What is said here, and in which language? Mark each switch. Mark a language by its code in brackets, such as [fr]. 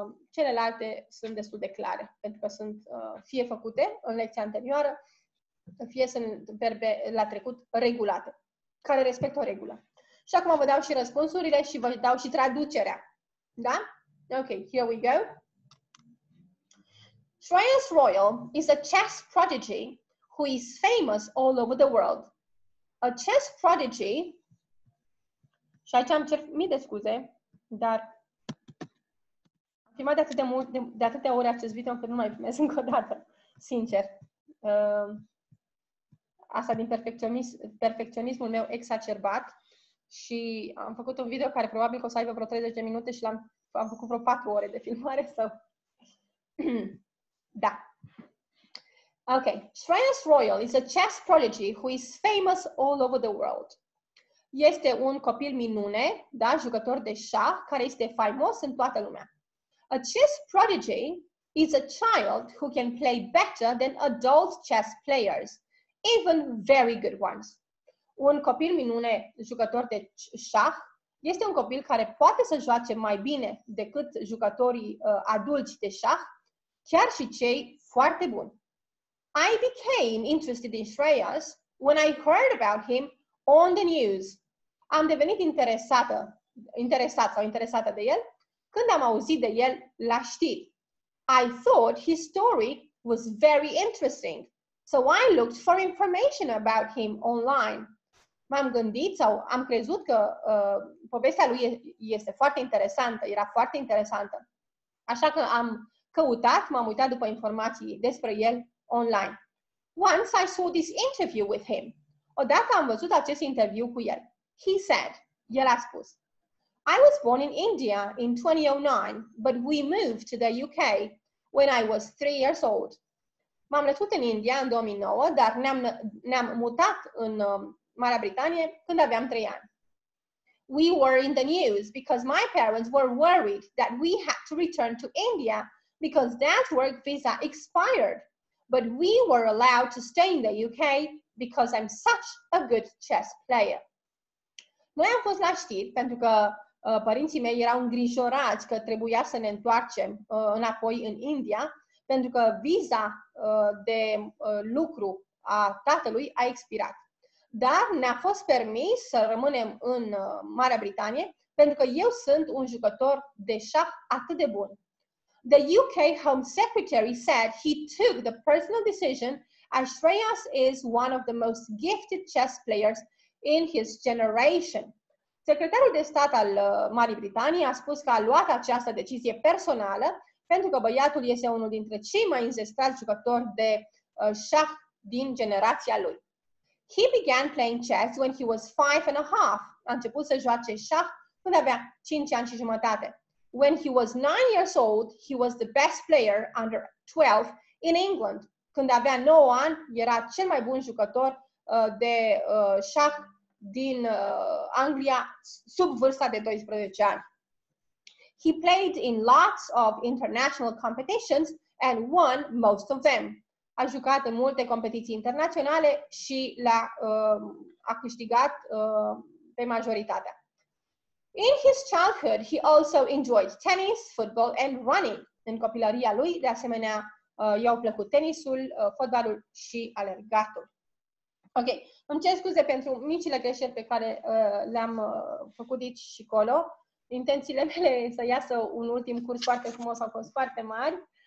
[ro] Celelalte sunt destul de clare, pentru că sunt fie făcute în lecția anterioară, fie sunt verbe la trecut regulate, care respectă o regulă. Și acum vă dau și răspunsurile și vă dau și traducerea. Da? [en] Okay, here we go. Shreyas Royal is a chess prodigy who is famous all over the world. A chess prodigy. [ro] Și aici am cer, mii de scuze, dar am filmat de atâtea, de atâtea ori acest video încât nu mai filmez încă o dată, sincer. Asta din perfecționismul meu exacerbat și am făcut un video care probabil că o să aibă vreo 30 de minute și l-am făcut vreo 4 ore de filmare. Sau... da. Ok. [en] Shreyas Royal is a chess prodigy who is famous all over the world. [ro] Este un copil minune, da, jucător de șah, care este faimos în toată lumea. [en] A chess prodigy is a child who can play better than adult chess players, even very good ones. [ro] Un copil minune, jucător de șah, este un copil care poate să joace mai bine decât jucătorii adulți de șah, chiar și cei foarte buni. [en] I became interested in Shreyas when I heard about him on the news. [ro] Am devenit interesată de el când am auzit de el la știri. [en] I thought his story was very interesting, so I looked for information about him online. [ro] M-am gândit sau am crezut că povestea lui este foarte interesantă, era foarte interesantă. Așa că am căutat, m-am uitat după informații despre el online. [en] Once I saw this interview with him. [ro] Odată am văzut acest interviu cu el. [en] He said, [ro] el a spus, [en] I was born in India in 2009, but we moved to the UK when I was 3 years old. [ro] M-am născut în India în 2009, dar ne-am mutat în Marea Britanie când aveam 3 ani. [en] We were in the news because my parents were worried that we had to return to India because dad's work visa expired, but we were allowed to stay in the UK because I'm such a good chess player. [ro] Noi am fost la știri pentru că părinții mei erau îngrijorați că trebuia să ne întoarcem înapoi în India pentru că viza de lucru a tatălui a expirat. Dar ne-a fost permis să rămânem în Marea Britanie pentru că eu sunt un jucător de șah atât de bun. [en] The UK Home Secretary said he took the personal decision as Shreyas is one of the most gifted chess players in his generation. [ro] Secretarul de stat al Marii Britanii a spus că a luat această decizie personală pentru că băiatul este unul dintre cei mai înzestrați jucători de șah din generația lui. [en] He began playing chess when he was 5 and a half. [ro] A început să joace șah când avea 5 ani și jumătate. [en] When he was 9 years old, he was the best player under 12 in England. [ro] Când avea 9 ani, era cel mai bun jucător de șah din Anglia sub vârsta de 12 ani. [en] He played in lots of international competitions and won most of them. [ro] A jucat în multe competiții internaționale și a câștigat pe majoritatea. [en] In his childhood, he also enjoyed tennis, football and running. [ro] În copilăria lui, de asemenea, i-au plăcut tenisul, fotbalul și alergatul. Ok, îmi cer scuze pentru micile greșeli pe care le-am făcut aici și acolo. Intențiile mele să iasă un ultim curs foarte frumos au fost foarte mari.